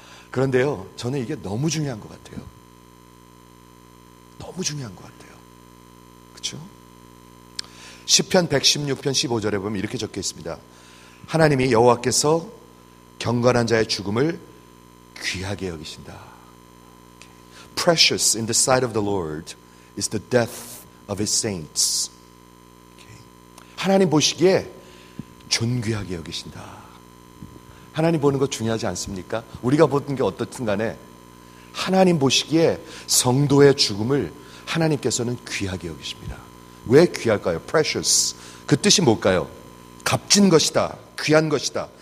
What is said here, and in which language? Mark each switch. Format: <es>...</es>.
<ko>그런데요, 저는 이게 너무 중요한 것 같아요. 너무 중요한 것 같아요. 그렇죠? 시편 116편 15절에 보면 이렇게 적혀 있습니다. 하나님이 여호와께서 경건한 자의 죽음을 귀하게 여기신다.</ko> <en>Precious in the sight of the Lord is the death of his saints.</en> <ko>하나님 보시기에 존귀하게 여기신다. 하나님 보는 거 중요하지 않습니까? 우리가 보는 게 어떻든 간에 하나님 보시기에 성도의 죽음을 하나님께서는 귀하게 여기십니다. 왜 귀할까요? Precious. 그 뜻이 뭘까요? 값진 것이다. 귀한 것이다.</ko>